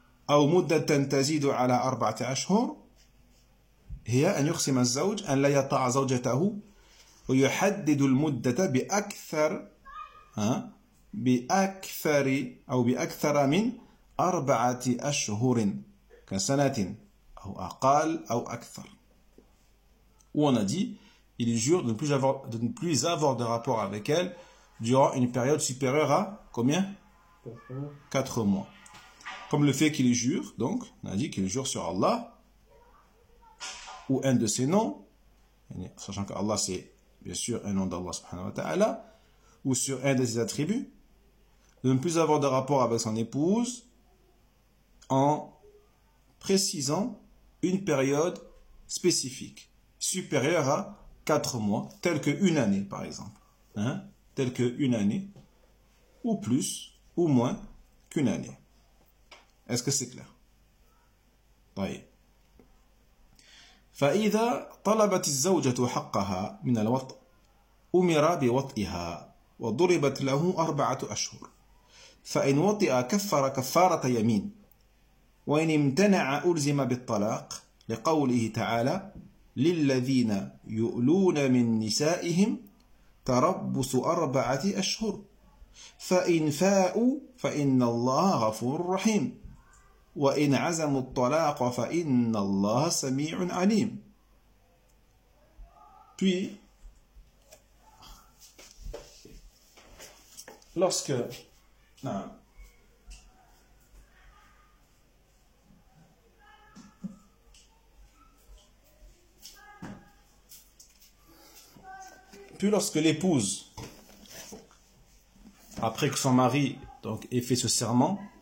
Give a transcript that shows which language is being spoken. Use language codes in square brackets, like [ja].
[ar] أو مدة تزيد على أربعة أشهر هي أن يقسم الزوج أن لا يطع زوجته ويحدد المدة بأكثر بأكثر أو بأكثر من أربعة أشهر كسنة أو أقل أو أكثر. وانا دي [fr] il jure de ne plus avoir de rapport avec elle durant une période supérieure à combien? 4 mois. Comme le fait qu'il jure, donc, on a dit qu'il jure sur Allah, ou un de ses noms, sachant qu'Allah c'est bien sûr un nom d'Allah subhanahu wa ta'ala, ou sur un de ses attributs, de ne plus avoir de rapport avec son épouse, en précisant une période spécifique, supérieure à 4 mois, tel que une année par exemple, tel que une année, ou plus, ou moins qu'une année. Est-ce que c'est clair? طيب. [ar] فإذا طلبت الزوجة حقها من الوطء أمر بوطئها وضربت له أربعة أشهر فإن وطئ كفر كفارة يمين وإن امتنع ألزم بالطلاق لقوله تعالى للذين يؤلون من نسائهم تربص أربعة أشهر فإن فاءوا فإن الله غفور رحيم وإن عزموا الطلاق فإن الله سميع عليم. [fr] Puis, lorsque, puis lorsque l'épouse, après que son mari donc ait fait ce serment,